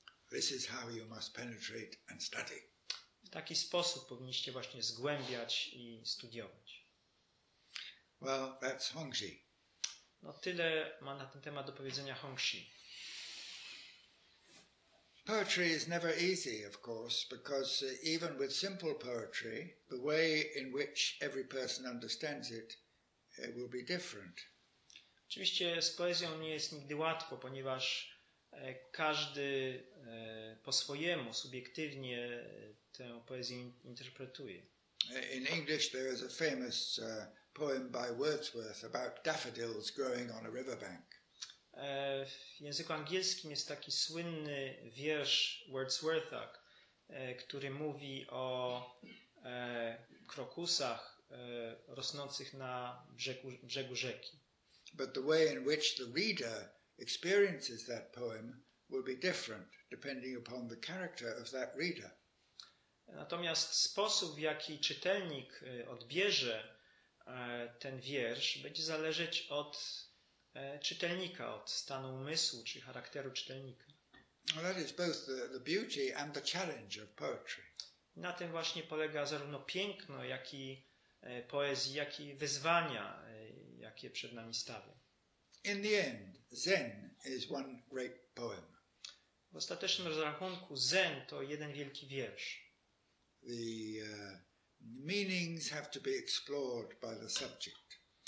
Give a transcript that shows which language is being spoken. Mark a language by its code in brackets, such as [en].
[en] This is how you must penetrate and study. [pl] W taki sposób powinniście właśnie zgłębiać i studiować. [en] Well, that's Hongzhi. [pl] No tyle ma na ten temat do powiedzenia Hongzhi. [en] Poetry is never easy, of course, because even with simple poetry, the way in which every person understands it will be different. [pl] Oczywiście z poezją nie jest nigdy łatwo, ponieważ każdy po swojemu, subiektywnie tę poezję interpretuje. [en] In English there is a famous poem by Wordsworth about daffodils growing on a riverbank. [pl] W języku angielskim jest taki słynny wiersz Wordsworth'a, który mówi o krokusach rosnących na brzegu rzeki. [en] But the way in which the reader experiences that poem will be different depending upon the character of that reader. [pl] Natomiast sposób, w jaki czytelnik odbierze ten wiersz, będzie zależeć od czytelnika, od stanu umysłu czy charakteru czytelnika. [en] Well, that is both the beauty and the challenge of poetry. [pl] Na tym właśnie polega zarówno piękno, jak i poezji, jak i wyzwania, jakie przed nami stawia. [en] In the end, Zen is one great poem. [pl] W ostatecznym rozrachunku Zen to jeden wielki wiersz. [en] The meanings have to be explored by the subject.